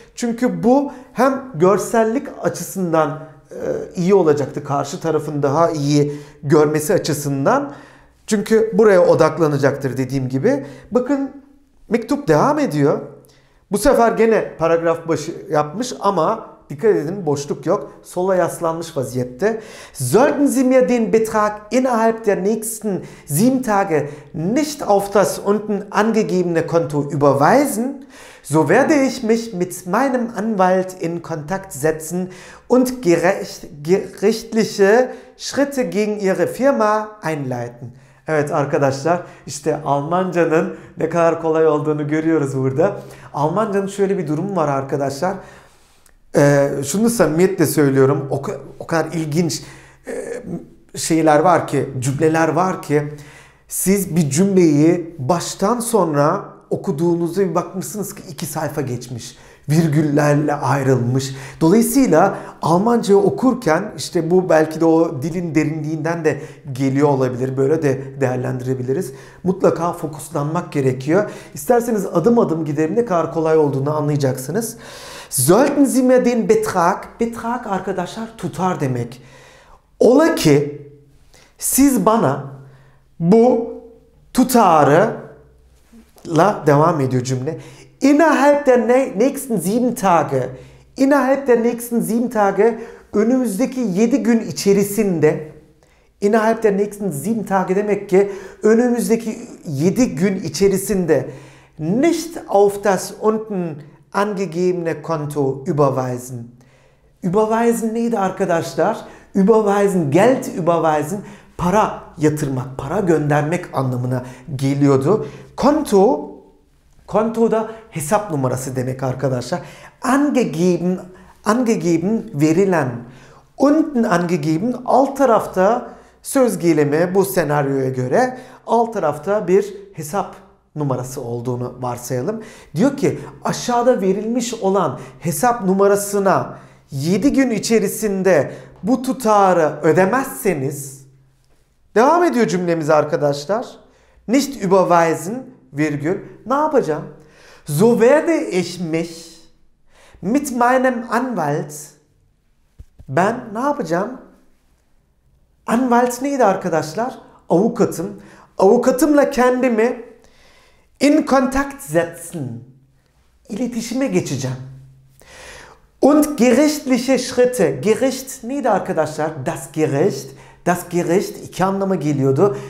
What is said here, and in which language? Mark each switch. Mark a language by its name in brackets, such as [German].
[Turkish] Çünkü bu hem görsellik açısından iyi olacaktı, karşı tarafın daha iyi görmesi açısından. Çünkü buraya odaklanacaktır dediğim gibi. Bakın mektup devam ediyor. Bu sefer gene paragraf başı yapmış ama dikkat edin, boşluk yok. Sola yaslanmış vaziyette. [German] Sollten Sie mir den Betrag innerhalb der nächsten 7 Tage nicht auf das unten angegebene Konto überweisen, so werde ich mich mit meinem Anwalt in Kontakt setzen und gerichtliche Schritte gegen Ihre Firma einleiten. [Turkish] Evet arkadaşlar, işte Almanca'nın ne kadar kolay olduğunu görüyoruz burada. Almanca'nın şöyle bir durumu var arkadaşlar. Şunu samimiyetle söylüyorum. O kadar ilginç şeyler var ki, cümleler var ki, siz bir cümleyi baştan sonra okuduğunuzda bir bakmışsınız ki iki sayfa geçmiş. Virgüllerle ayrılmış. Dolayısıyla Almanca okurken, işte bu belki de o dilin derinliğinden de geliyor olabilir. Böyle de değerlendirebiliriz. Mutlaka fokuslanmak gerekiyor. İsterseniz adım adım gidelim, ne kadar kolay olduğunu anlayacaksınız. [German] Sollten Sie mir den Betrag, Betrag [Turkish] arkadaşlar tutar demek. Ola ki siz bana bu tutarı, la devam ediyor cümle, [German] innerhalb der nächsten 7 Tage, innerhalb der nächsten 7 Tage, [Turkish] önümüzdeki 7 gün içerisinde, [German] innerhalb der nächsten 7 Tage [Turkish] demek ki önümüzdeki 7 gün içerisinde, [German] nicht auf das unten angegebene Konto überweisen. [Turkish] Überweisen neydi arkadaşlar? Überweisen, [German] Geld überweisen, [Turkish] para yatırmak, para göndermek anlamına geliyordu. Konto, konto da hesap numarası demek arkadaşlar. Angegeben, angegeben verilen. [German] Unten angegeben, [Turkish] alt tarafta söz gelimi bu senaryoya göre alt tarafta bir hesap numarası olduğunu varsayalım. Diyor ki aşağıda verilmiş olan hesap numarasına 7 gün içerisinde bu tutarı ödemezseniz, devam ediyor cümlemiz arkadaşlar. [German] Nicht überweisen, [Turkish] virgül, ne yapacağım? [German] So werde ich mich mit meinem Anwalt, [Turkish] ben ne yapacağım? Anwalt neydi arkadaşlar? Avukatım. Avukatımla kendimi [German] in Kontakt setzen, [Turkish] iletişime geçeceğim. [German] Und gerichtliche Schritte, Gericht [Turkish] neydi arkadaşlar? [German] Das Gericht, das Gericht [Turkish] iki anlama geliyordu.